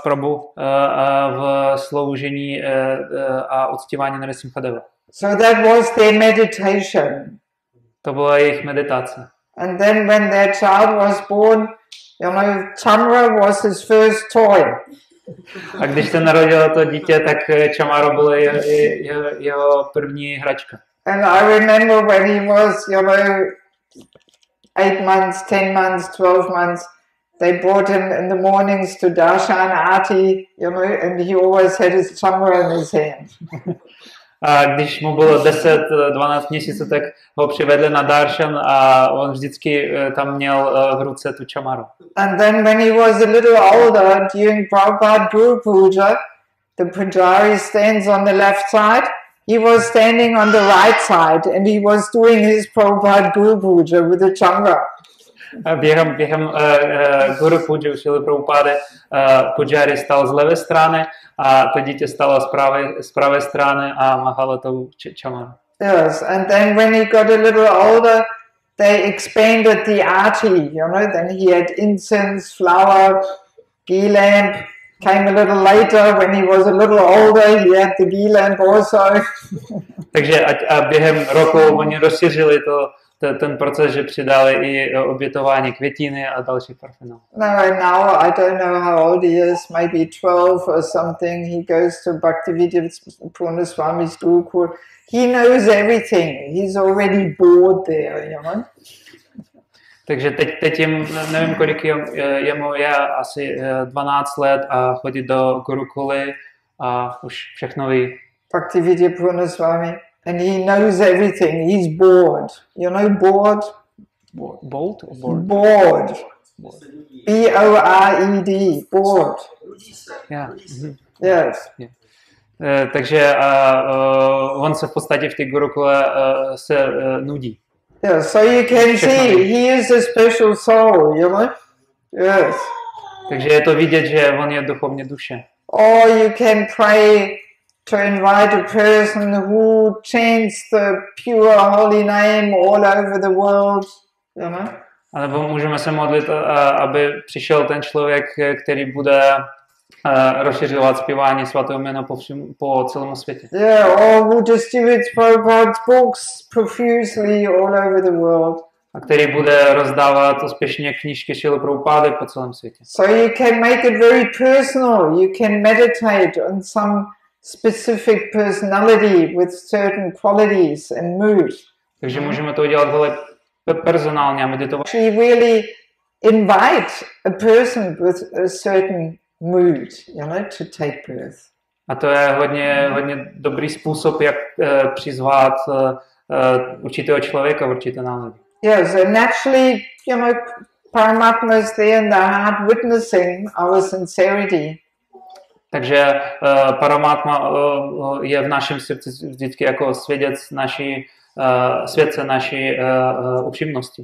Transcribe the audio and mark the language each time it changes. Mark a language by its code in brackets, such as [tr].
[cs] Prabhu v sloužení a uctívání Nrsimhadeva. [en] So that was their meditation. [cs] To byla jejich meditace. [en] And then when their child was born, you know, Chamara was his first toy. [cs] A když se narodilo to dítě, tak Chamara byla jeho první hračka. [en] And I remember when he was, you know, 8 months, 10 months, 12 months, they brought him in the mornings to Darshan Aati, you know, and he always had his Chamara in his hand. [cs] A když mu bylo 10, 12 měsíců, tak ho přivedli na darshan a on vždycky tam měl v ruce tu čamaru. [en] And then when he was a little older, during Prabhupada Guru Puja, the pujari stands on the left side, he was standing on the right side and he was doing his Prabhupada Guru Puja with the chamara. [cs] Během Guru Puja Srila Prabhupada pujari stál z levé strany a to dítě stalo z pravé strany a mahalo tou čamaru. [en] Yes, and then when he got a little older, they expanded the aarti, you know, then he had incense, flower, ghee lamp, came a little later when he was a little older, he had the B-lamp also. [cs] Takže a během roku oni rozšířili to, ten proces, že přidali i obětování květiny a další parfémy. [en] No, and now I don't know how old he is, maybe 12 or something. He goes to Bhaktivedanta Purnaswami's Gurukul. He knows everything. He's already bored there, you know? [cs] Takže teď jim, nevím, kolik je mu, je asi 12 let a chodí do Gurukuly a už všechno ví. [en] Bhaktivedanta Purnaswami. And he knows everything. He's bored. You know, bored? Bold or bored? Bored. B-O-R-E-D. Bored. Yeah. Mm-hmm. Yes. Yeah. [cs] Takže on se v podstatě v té Gurukule se nudí. [en] Yeah, so you can see, he is a special soul, you know? Yes. [cs] Takže je to vidět, že on je duchovně duše. [en] Or you can pray to invite a person who chants the pure holy name all over the world, you know? [cs] A nebo můžeme se modlit, aby přišel ten člověk, který bude rozšiřovat zpívání svatého jména po celém světě. [en] Yeah, or who distributes Prabhupada's books profusely all over the world. [cs] A který bude rozdávat úspěšně knížky Šíly Prabhupády po celém světě. [en] So you can make it very personal. You can meditate on some specific personality with certain qualities and mood. [cs] Takže můžeme to udělat velmi personálně a meditovat. [en] She really invite a person with a certain mood, you know, to take birth. [cs] A to je hodně, hodně dobrý způsob, jak přizvat určitého člověka v určité náladě. [en] Yes, and actually, you know, Paramatma is there in the heart witnessing our sincerity. [cs] Takže Paramatma je v našem srdci vždycky jako svědec naší svědce naší upřímnosti.